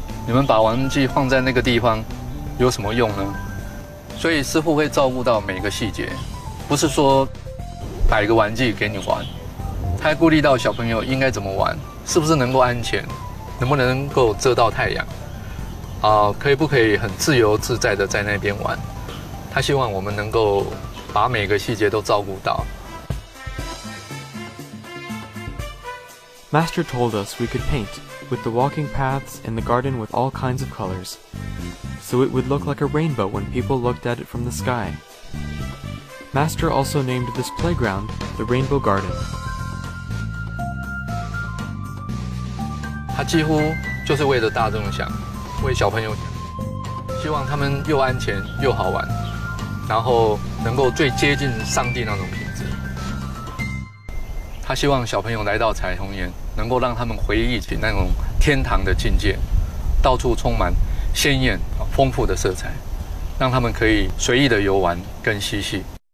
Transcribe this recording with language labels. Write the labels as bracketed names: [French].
[Chinese] 你们把玩具放在那个地方有什么用呢？所以师父会照顾到每个细节，不是说摆个玩具给你玩，他还顾虑到小朋友应该怎么玩，是不是能够安全，能不能够遮到太阳啊，可以不可以很自由自在的在那边玩。他希望我们能够把每个细节都照顾到。 [English] Master told us we could paint with the walking paths in the garden with all kinds of colors, so it would look like a rainbow when people looked at it from the sky. Master also named this playground the Rainbow Garden. [Chinese] 他几乎就是为了大众想，为小朋友想，希望他们又安全又好玩，然后能够最接近上帝那种品质。他希望小朋友来到彩虹岩，能够让他们回忆起那种天堂的境界，到处充满鲜艳丰富的色彩，让他们可以随意的游玩跟嬉戏。